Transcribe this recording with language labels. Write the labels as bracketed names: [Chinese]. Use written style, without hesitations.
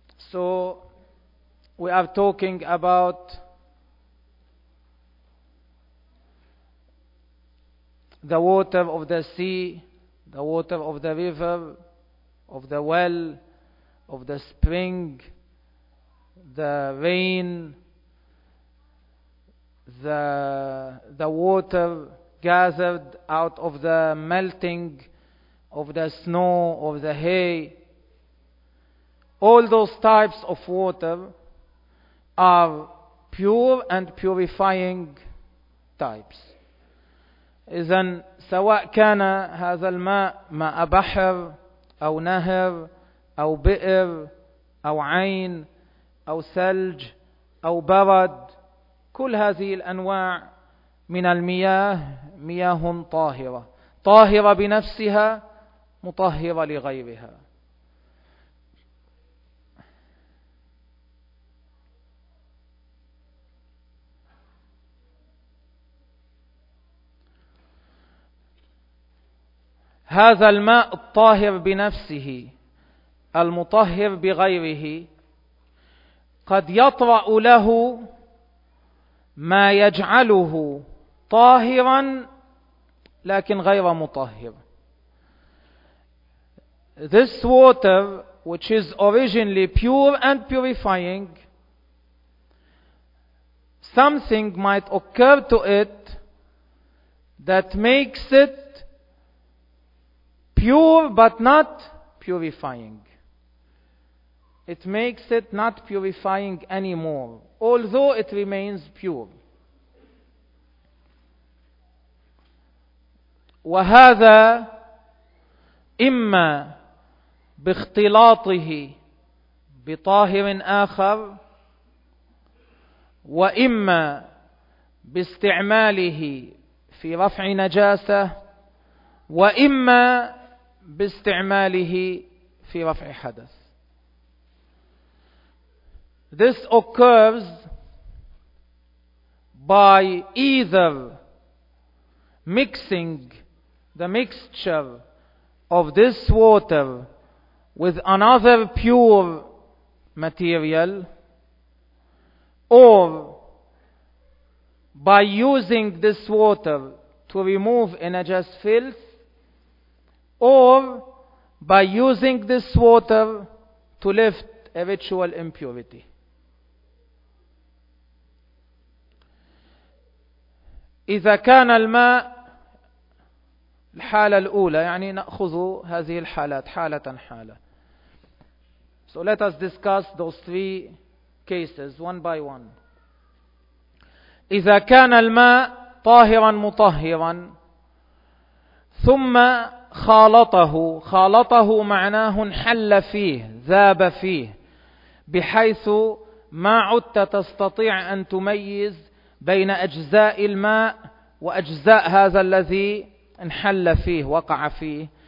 [English] So we are talking about the water of the sea, the water of the river, of the well, of the spring, the rain, the water gathered out of the melting of the snow, of the hay. All those types of water are pure and purifying types. [Arabic] إذن سواء كان هذا الماء ماء بحر أو نهر أو بئر أو عين أو ثلج أو برد, كل هذه الأنواع من المياه مياه طاهرة, طاهرة بنفسها مطهرة لغيرها. هذا الماء الطاهر بنفسه المطهر بغيره قد يطرأ له ما يجعله طاهرا لكن غير مطهر. [English] This water, which is originally pure and purifying, something might occur to it that makes it pure but not purifying. It makes it not purifying anymore, although it remains pure. [Arabic] وهذا إما باختلاطه بطاهر آخر وإما باستعماله في رفع نجاسة وإما باستعماله في رفع حدث. [English] This occurs by either mixing the mixture of this water with another pure material, or by using this water to remove a najas filth, or by using this water to lift a ritual impurity. [Arabic] إذا كان الماء الحالة الأولى يعني نأخذ هذه الحالات حالة حالة. [English] So let us discuss those three cases one by one. [Arabic] إذا كان الماء طاهرا مطهرا ثم خالطه، خالطه معناه انحل فيه، ذاب فيه، بحيث ما عدت تستطيع أن تميز بين أجزاء الماء وأجزاء هذا الذي انحل فيه وقع فيه.